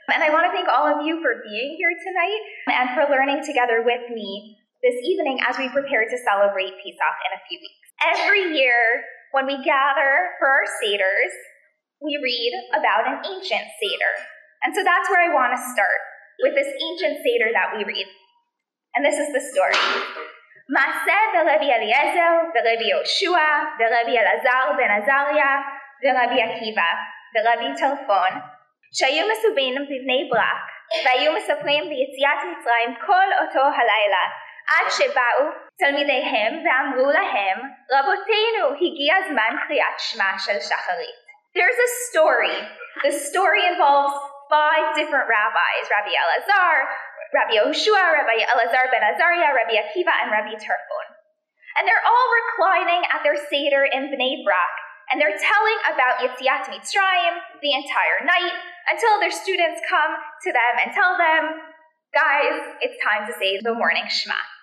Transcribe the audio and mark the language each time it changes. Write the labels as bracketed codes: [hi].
[en] And I want to thank all of you for being here tonight and for learning together with me this evening as we prepare to celebrate Pesach in a few weeks. Every year when we gather for our Seders, we read about an ancient Seder. And so that's where I want to start, with this ancient Seder that we read. And this is the story. [he] Maaseh v'Levi Eliezer v'Levi Yoshua v'Levi Elazar ben Azariah v'Levi Akiva v'Levi Telfon שהיו מסובים בבני ברק והיו מספרים ביציאת מצרים כל אותו הלילה עד שבאו תלמידיהם ואמרו להם רבותינו הגיע זמן קריאת שמע של שחרית. [en] There's a story. The story involves five different rabbis, Rabbi Elazar, Rabbi Yoshua, Rabbi Elazar ben Azariah, Rabbi Akiva, and Rabbi Tarfon. And they're all reclining at their Seder in Bnei Brak, and they're telling about Yetziat Mitzrayim the entire night until their students come to them and tell them, guys, it's time to say the morning Shema.